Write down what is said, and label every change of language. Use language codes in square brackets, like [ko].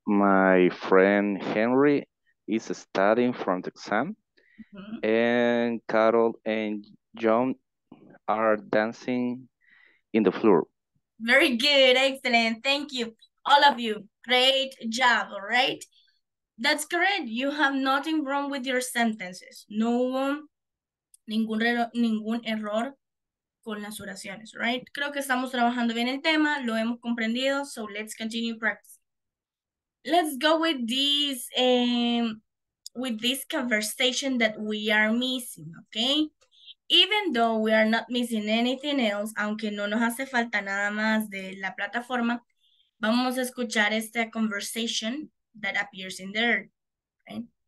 [en] My friend Henry is studying for the exam. Uh-huh. And Carol and John are dancing in the floor. Very good, excellent, thank you. All of you, great job, all right? That's correct, you have nothing wrong with your sentences. [es] No hubo ningún error con las oraciones, right? Creo que estamos trabajando bien el tema, lo hemos comprendido, [en] so let's continue practicing. Let's go with this conversation that we are missing, okay? Even though we are not missing anything else, [es] aunque no nos hace falta nada más de la plataforma, vamos a escuchar esta [en] conversation that appears in there, right?